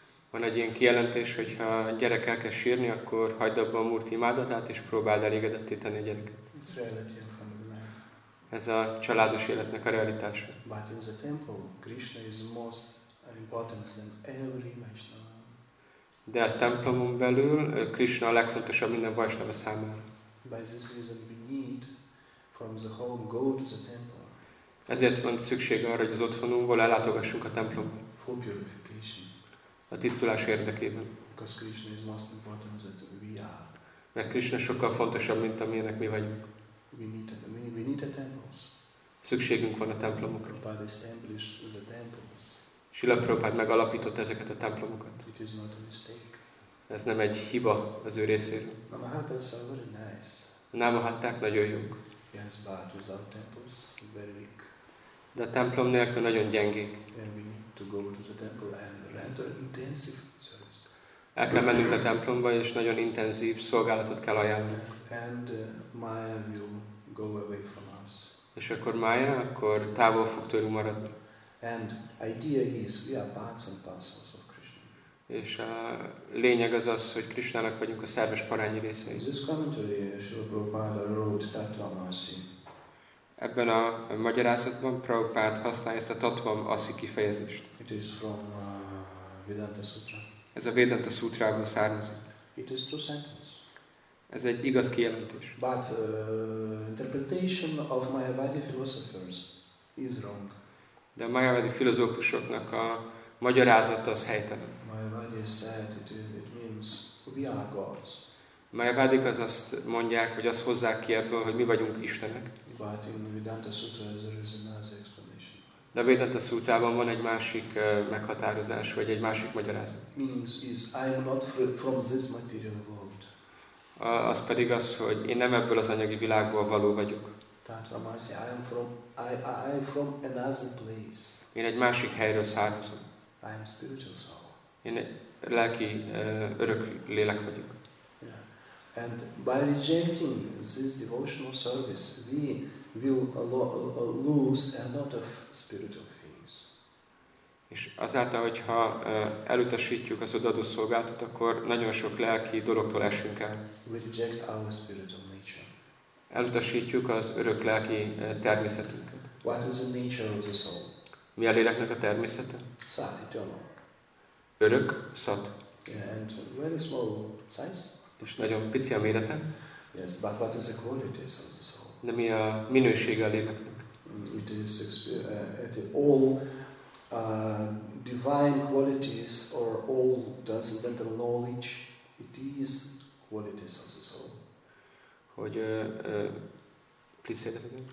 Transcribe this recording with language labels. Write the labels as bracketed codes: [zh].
[hu] Van egy ilyen kijelentés, hogyha a gyerek elkezd sírni, akkor hagyd abba a murti imádatát, és próbáld elégedetté tenni a gyereket. [en] It's relative from the life. [hu] ez a családos életnek a realitása. [en] But in the temple, Krishna is most important than every Vaishnava. [hu] De a templomon belül Krishna a legfontosabb minden Vaishnava számára. [en] By this reason, we need from the home go to the temple. [hu] Ezért van szükség arra, hogy az otthonunkból ellátogassunk a templomba. [en] For purification. [hu] A tisztulás érdekében. [en] Because Krishna is most important than we are. [hu] Mert Krishna sokkal fontosabb, mint amilyenek mi vagyunk. [en] We need a temples. [hu] Szükségünk van a templomokra. [en] Prabhupada established the temples. [hu] Srila Prabhupada megalapított ezeket a templomokat. [en] It is not a mistake. [hu] Ez nem egy hiba az ő részéről. [en] Namahattas are very nice. [hu] A namahatták nagyon jók. [en] Yes, but without temples, very weak. [hu] De a templom nélkül nagyon gyengék. [en] And we need to go to the temple and render intensive service. [hu] El kell mennünk a templomba, és nagyon intenzív szolgálatot kell ajánlani. [en] And Maya will go away from us. [hu] És akkor Maya, akkor távol fog tőlünk maradni. [en] And idea is, we are parts and parcels of Krishna. [hu] És a lényeg az az, hogy Krishnának vagyunk a szerves parányi részei. [en] This commentary, Srila Prabhupada wrote Tattvamasi. [hu] Ebben a magyarázatban Prabhupada használja ezt a Tattvamasi kifejezést. [en] It is from Vedanta Sutra. [hu] Ez a Vedanta Sutrából származik. [en] It is two sentences. [hu] Ez egy igaz kijelentés. [en] But interpretation of Mayavadi philosophers is wrong. [hu] De a Mayavadi filozófusoknak a magyarázata az helytelen. [en] Mayavadi said it means we are gods. [hu] Mayavadi az azt mondják, hogy azt hozzák ki ebből, hogy mi vagyunk istenek. [en] But in Vedanta Sutra there is another explanation. [hu] De a Vedanta Sutrában van egy másik meghatározás, vagy egy másik magyarázat. [en] Meaning is I am not from this material world. [hu] Az pedig az, hogy én nem ebből az anyagi világból való vagyok. [en] Tattvamasi, I am from another place. [hu] Én egy másik helyről származom. [en] I am spiritual soul. [hu] Én lelki örök lélek vagyok. [en] Yeah. And by rejecting this devotional service, we will lose a lot of spiritual things. [hu] És azáltal, hogyha elutasítjuk az odaadó szolgáltat, akkor nagyon sok lelki dologtól esünk el. [en] We reject our spiritual nature. [hu] Elutasítjuk az örök lelki természetünket. [en] What is the nature of the soul? [hu] Mi a léleknek a természete? [en] Sat, eternal. [hu] Örök, sat. [en] Yeah, and very small size. [hu] És nagyon pici a mérete. [en] Yes, but what is the qualities of the soul? [hu] De mi a minősége a léleknek? [en] It is all divine qualities or all transcendental knowledge. It is qualities of the soul. [hu] Hogy [en] please say that again.